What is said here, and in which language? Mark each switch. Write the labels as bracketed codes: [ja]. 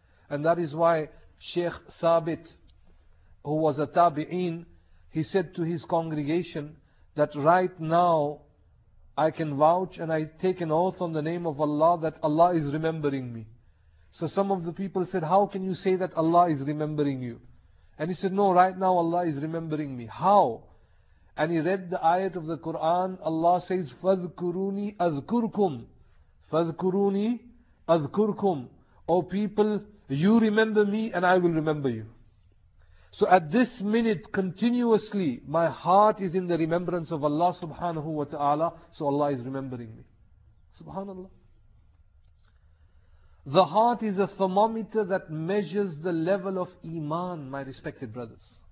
[en] And that is why Sheikh Thabit, who was a tabi'een, he said to his congregation that right now I can vouch and I take an oath on the name of Allah that Allah is remembering me. So some of the people said, how can you say that Allah is remembering you? And he said, no, right now Allah is remembering me. How? And he read the ayat of the Quran. Allah says, [ar] فَذْكُرُونِي أَذْكُرْكُمْ فَذْكُرُونِي أَذْكُرْكُمْ. [en] O people, you remember me and I will remember you. So at this minute, continuously, my heart is in the remembrance of Allah subhanahu wa ta'ala. So Allah is remembering me. Subhanallah. The heart is a thermometer that measures the level of iman, my respected brothers.